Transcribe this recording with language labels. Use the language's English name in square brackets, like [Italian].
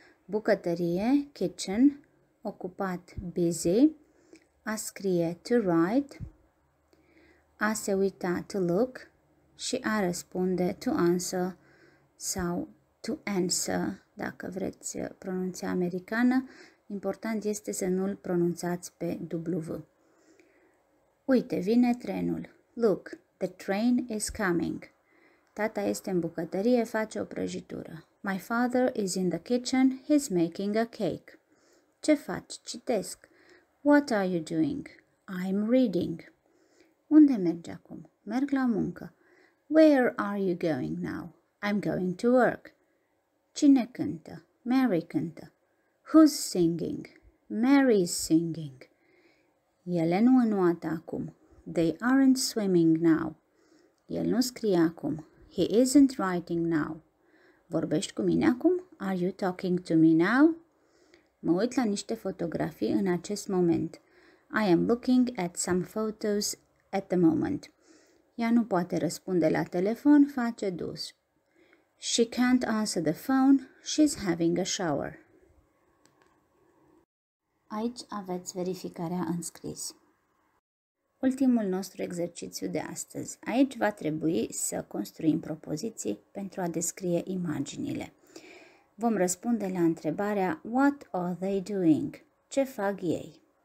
[Romanian] Bucătărie, kitchen, ocupat, busy, a scrie, to write, a se uita, to look, și a răspunde, to answer, sau to answer, dacă vreți pronunția americană. Important este să nu-l pronunțați pe W. Uite, vine trenul. [English] Look, the train is coming. [Romanian] Tata este în bucătărie, face o prăjitură. [English] My father is in the kitchen, he's making a cake. [Romanian] Ce faci? Citesc. [English] What are you doing? I'm reading. [Romanian] Unde mergi acum? Merg la muncă. [English] Where are you going now? I'm going to work. [Romanian] Cine cântă? Mary cântă. [English] Who's singing? Mary is singing. [Romanian] Ele nu înoată acum. [English] They aren't swimming now. [Romanian] El nu scrie acum. [English] He isn't writing now. [Romanian] Vorbești cu mine acum? [English] Are you talking to me now? [Romanian] Mă uit la niște fotografii în acest moment. [English] I am looking at some photos at the moment. [Romanian] Ea nu poate răspunde la telefon, face duș. [English] She can't answer the phone, she's having a shower. [Romanian] Aici aveți verificarea în scris. Ultimul nostru exercițiu de astăzi. Aici va trebui să construim propoziții pentru a descrie imaginile. Vom răspunde la întrebarea [English] What are they doing? [Romanian] Ce fac ei?